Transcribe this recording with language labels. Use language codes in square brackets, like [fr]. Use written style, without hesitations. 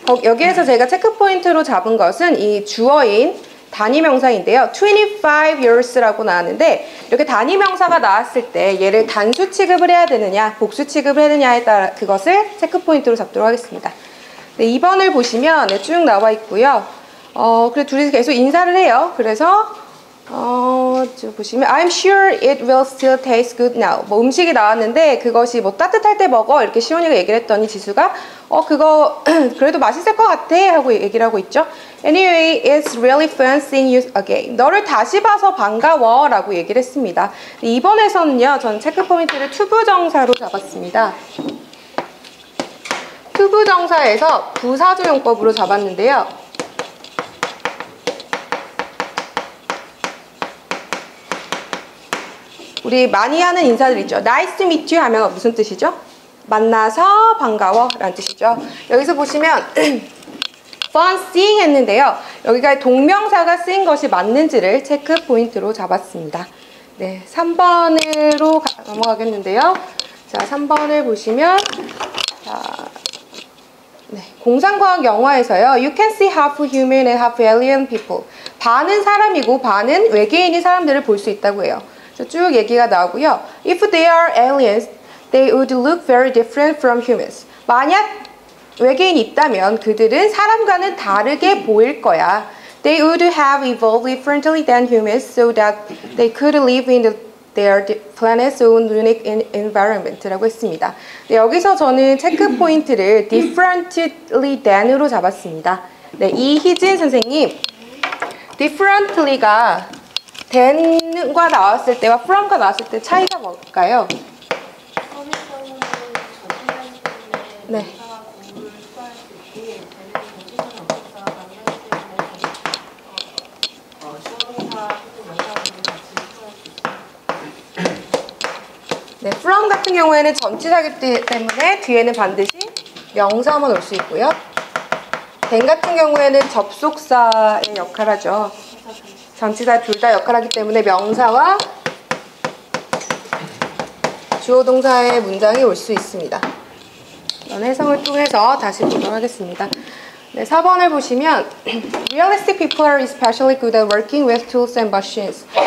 [ko] 여기에서 제가 체크포인트로 잡은 것은 이 주어인 단위명사인데요. 25 years라고 나왔는데 이렇게 단위명사가 나왔을 때 얘를 단수 취급을 해야 되느냐 복수 취급을 해야 되느냐에 따라 그것을 체크포인트로 잡도록 하겠습니다. 네, 2번을 보시면 네, 쭉 나와 있고요. 그리고 둘이 계속 인사를 해요. 그래서 보시면 [en] I'm sure it will still taste good now. [ko] 뭐 음식이 나왔는데 그것이 뭐 따뜻할 때 먹어 이렇게 시원이가 얘기를 했더니 지수가 그거 그래도 맛있을 것 같아 하고 얘기를 하고 있죠. [en] Anyway, it's really fun seeing you again. [ko] 너를 다시 봐서 반가워 라고 얘기를 했습니다. 이번에서는요 저는 체크포인트를 투부정사로 잡았습니다. 투부정사에서 부사조 용법으로 잡았는데요. 우리 많이 하는 인사들 있죠. [en] Nice to meet you [ko] 하면 무슨 뜻이죠? 만나서 반가워 라는 뜻이죠. 여기서 보시면 fun seeing 했는데요. 여기가 동명사가 쓰인 것이 맞는지를 체크 포인트로 잡았습니다. 네, 3번으로 넘어가겠는데요. 자, 3번을 보시면 자, 네, 공상과학 영화에서요. [en] You can see half human and half alien people. [ko] 반은 사람이고 반은 외계인이 사람들을 볼 수 있다고 해요. 쭉 얘기가 나오고요. [en] If they are aliens, they would look very different from humans. [ko] 만약 외계인이 있다면 그들은 사람과는 다르게 보일 거야. [en] They would have evolved differently than humans so that they could live in their planet's own unique environment [ko] 라고 했습니다. 네, 여기서 저는 체크포인트를 differently than으로 잡았습니다. 네, 이희진 선생님, differently가 than과 나왔을 때와 from과 나왔을 때 차이가 뭘까요? 네. 네, from 같은 경우에는 전치사이기 때문에 뒤에는 반드시 명사만 올 수 있고요. than 같은 경우에는 접속사의 역할하죠. 전치사 둘 다 역할하기 때문에 명사와 주어동사의 문장이 올 수 있습니다. 이런 해석을 통해서 다시 보도록 하겠습니다. 네, 4번을 보시면 [en] Realistic people are especially good at working with tools and machines.